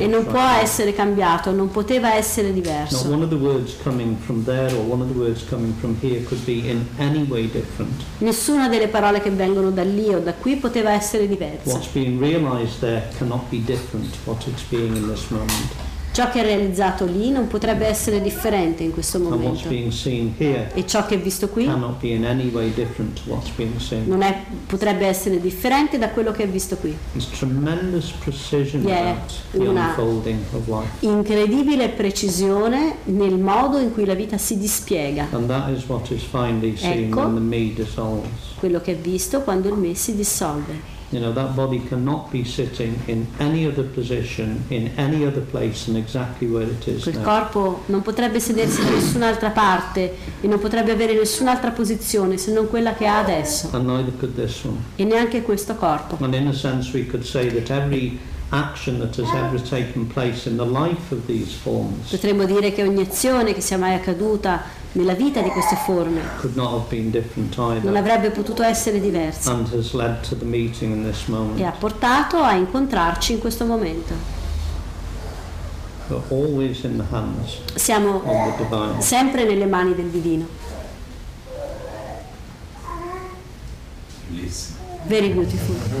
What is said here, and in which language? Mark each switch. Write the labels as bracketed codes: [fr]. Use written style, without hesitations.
[it] E non può essere cambiato, non poteva essere diverso. [en] Not one of the words coming from there or one of the words coming from here could be in any way different. [it] Nessuna delle parole che vengono da lì o da qui poteva essere diversa. [en] What's being realized there cannot be different to what it's being in this moment. [it] Ciò che è realizzato lì non potrebbe essere differente in questo momento. E ciò che è visto qui non è, potrebbe essere differente da quello che è visto qui. Vi è una incredibile precisione nel modo in cui la vita si dispiega. Ecco quello che è visto quando il me si dissolve. [en] You know, that body cannot be sitting in any other position, in any other place than exactly where it is [it] quel [en] now. [it] Corpo non potrebbe sedersi in nessun'altra parte e non potrebbe avere nessun'altra posizione se non quella che ha adesso. [en] And neither could this one. [it] E neanche questo corpo. [en] And in a sense we could say that every action that has ever taken place in the life of these forms, [it] potremmo dire che ogni azione che sia mai accaduta nella vita di queste forme [en] could not have been different either, [it] non avrebbe potuto essere diversa, [en] and has led to the meeting in this moment, [it] e ha portato a incontrarci in questo momento. [en] We're always in the hands, [it] siamo [en] of the divine, [it] sempre nelle mani del divino. Bellissimo. [en] Very beautiful.